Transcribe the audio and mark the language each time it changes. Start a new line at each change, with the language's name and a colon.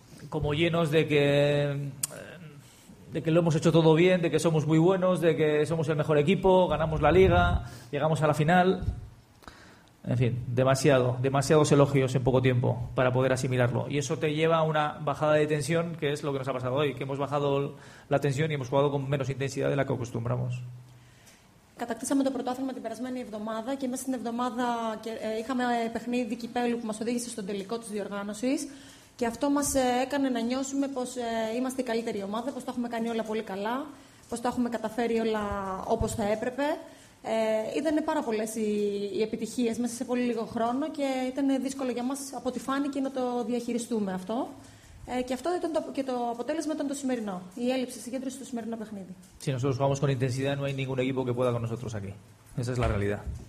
Spanish: Como llenos de que lo hemos hecho todo bien, de que somos muy buenos, de que somos el mejor equipo, ganamos la liga, llegamos a la final. En fin, demasiados elogios en poco tiempo para poder asimilarlo. Y eso te lleva a una bajada de tensión, que es lo que nos ha pasado hoy, que hemos bajado la tensión y hemos jugado con menos intensidad de la que acostumbramos.
Greek: Κατακτήσαμε το πρωτάθλημα την περασμένη εβδομάδα και μέσα στην εβδομάδα είχαμε παιχνίδι κυπέλλου που μας οδήγησε στον τελικό της διοργάνωσης και αυτό μας έκανε να νιώσουμε πως είμαστε η καλύτερη ομάδα, πως τα έχουμε κάνει όλα πολύ καλά, πως τα έχουμε καταφέρει όλα όπως θα έπρεπε. Ήταν πάρα πολλές οι επιτυχίες μέσα σε πολύ λίγο χρόνο και ήταν δύσκολο για μας από ό,τι φάνηκε να το διαχειριστούμε αυτό. Και αυτό ήταν το αποτέλεσμα ήταν το σημερινό. Η έλλειψη συγκέντρωση στο σημερινό παιχνίδι.
Spanish: Si nosotros jugamos con intensidad, no hay ningún equipo que pueda con nosotros aquí. Esa es la realidad.